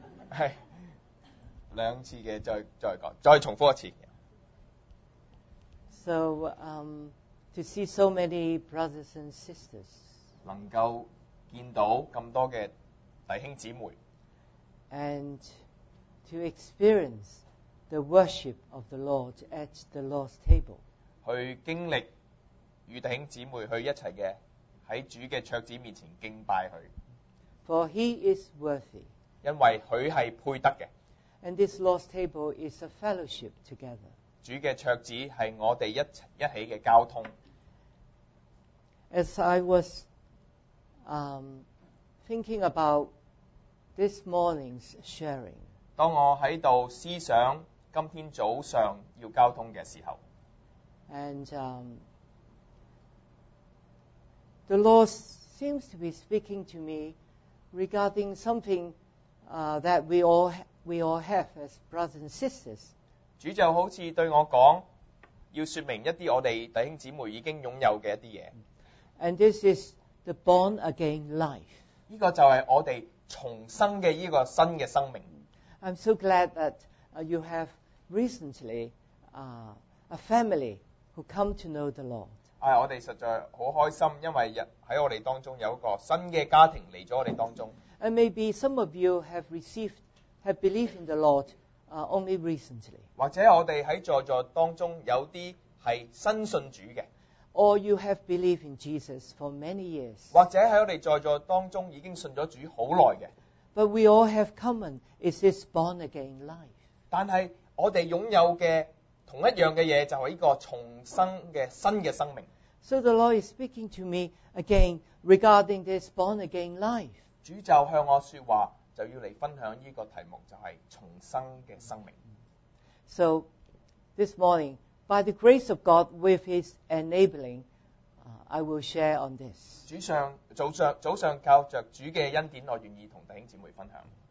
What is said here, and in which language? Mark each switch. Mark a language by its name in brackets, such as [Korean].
[Cantonese] 係兩次嘅，再講，再重複一次。 [English] So, to see so many brothers and sisters. [Cantonese] 能夠見到咁多嘅弟兄姊妹。 [English] And to experience the worship of the Lord at the Lord's table. [Cantonese] 去經歷與弟兄姊妹去一齊嘅喺主嘅桌子面前敬拜佢。 [English] For he is worthy. [Cantonese] 因為佢係配得嘅。 [English] And this Lord's table is a fellowship together. [Cantonese] 主嘅桌子係我哋一起嘅交通。 [English] As I was thinking about this morning's sharing. [Cantonese] 當我喺度思想今天早上要交通嘅時候。 [English] And the Lord seems to be speaking to me regarding something that we all have as brothers and sisters. [Cantonese] 主就好似對我講，要說明一啲我哋弟兄姊妹已經擁有嘅一啲嘢。 [English] And this is the born again life. [Cantonese] 依個就係我哋重生嘅依個新嘅生命。 [English] I'm so glad that you have recently a family who come to know the Lord. [Cantonese] 我哋實在好開心，因為喺我哋當中有一個新嘅家庭嚟咗我哋當中。 [English] And maybe some of you have believed in the Lord only recently. [Cantonese] 或者我哋喺在座當中有啲係新信主嘅。 [English] Or you have believed in Jesus for many years. [Cantonese] 或者喺我哋在座當中已經信咗主好耐嘅。 [English] But we all have common is this born again life. [Cantonese] 但係我哋擁有嘅同一樣嘅嘢就係一個重生嘅新嘅生命。 [English] So the Lord is speaking to me again regarding this born again life. [Cantonese] 主就向我說話，就要嚟分享呢個題目，就係重生嘅生命。 [English] So this morning, by the grace of God with His enabling, I will share on this. [Cantonese] 早上靠著主嘅恩典，我願意同弟兄姊妹分享。